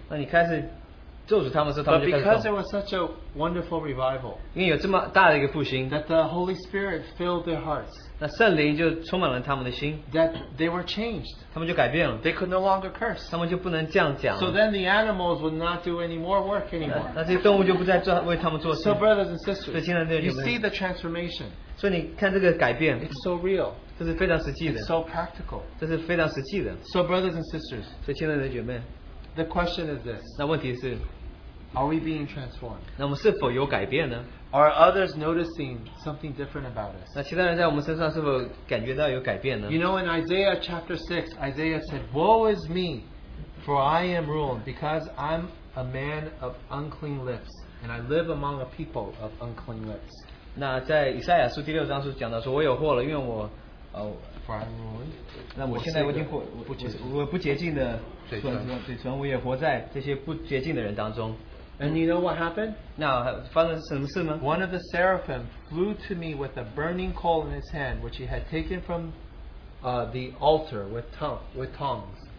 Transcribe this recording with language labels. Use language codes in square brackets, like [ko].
[zh] 那你开始咒诅他们的时候，他们就开始动。 [en] But because there was such a wonderful revival, [zh] 因为有这么大的一个复兴， [en] that the Holy Spirit filled their hearts. [zh] 那圣灵就充满了他们的心， [en] that they were changed. [zh] 他们就改变了， [en] they could no longer curse. [zh] 他们就不能这样讲了。 [en] So then the animals would not do any more work anymore. [zh] 那这些动物就不再为他们做事。 [en] So brothers and sisters, [zh] 所以亲爱的弟兄姊妹, [en] you see the transformation. [zh] 所以你看这个改变， [en] it's so real. [zh] 这是非常实际的， [en] it's so practical. [zh] 这是非常实际的。 [en] So brothers and sisters, [zh] 所以亲爱的弟兄姊妹, [en] the question is this. [zh] 那问题是， [en] are we being transformed? [zh] 那我们是否有改变呢？ [en] Are others noticing something different about us? [zh] 那其他人在我们身上是否感觉到有改变呢？ [en] You know, in Isaiah chapter 6, Isaiah said, woe is me, for I am ruined, because I'm a man of unclean lips, and I live among a people of unclean lips. [zh] 那在以赛亚书第六章是讲到说，我有祸了，因为我， [en] for I'm ruined. [zh] 那我现在我已经不洁净的嘴唇，我也活在这些不洁净的人当中。 [en] And you know what happened? [zh] 那发生什么事呢? [en] One of the seraphim flew to me with a burning coal in his hand, which he had taken from the altar with tongs.